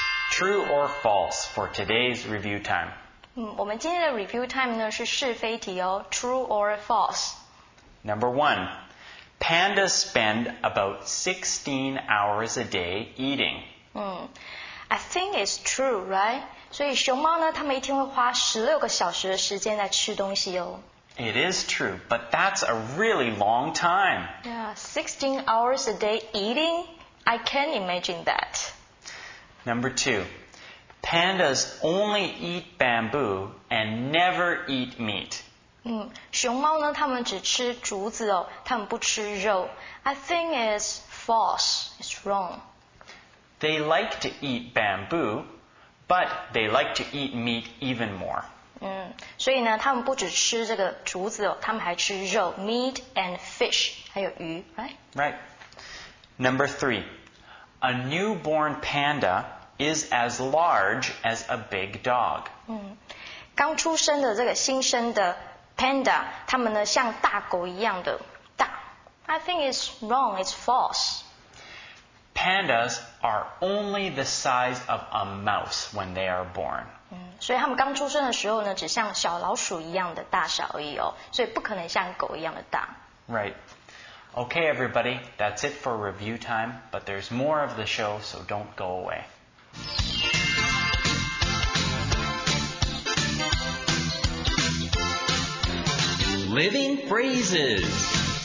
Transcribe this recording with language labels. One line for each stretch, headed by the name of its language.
English: True or false for today's review time?
Chinese: 我们今天的
English: review time
Chinese: 呢是是非题哦 ,
English: true or false? Number one, pandas spend about 16 hours a day eating. I think it's true, right?
Chinese: 所以熊猫呢它们一天会花16个小时的时间在吃东西哦。
English: It is true, but that's a really long time. Yeah, 16 hours a day eating? I can't imagine that. Number two,Pandas only eat bamboo and never eat meat.
Chinese: 熊猫呢它们只吃竹子哦它们不吃肉。
English: I think it's false. It's wrong. They like to eat bamboo, but they like to eat meat even more.
Chinese: 所以呢它们不只吃这个竹子哦它们还吃肉
English: meat and fish,
Chinese: 还有鱼
English: right? Number three, a newborn panda... is as large as a big dog.
Chinese: 刚出生的这个新生的 panda, 它们呢像大狗一样的大。
English: I think it's wrong, it's false. Pandas are only the size of a mouse when they are born.
Chinese: 所以它们刚出生的时候呢只像小老鼠一样的大小而已哦所以不可能像狗一样的大。
English: Right. Okay, everybody, that's it for review time, but there's more of the show, so don't go away. Living phrases.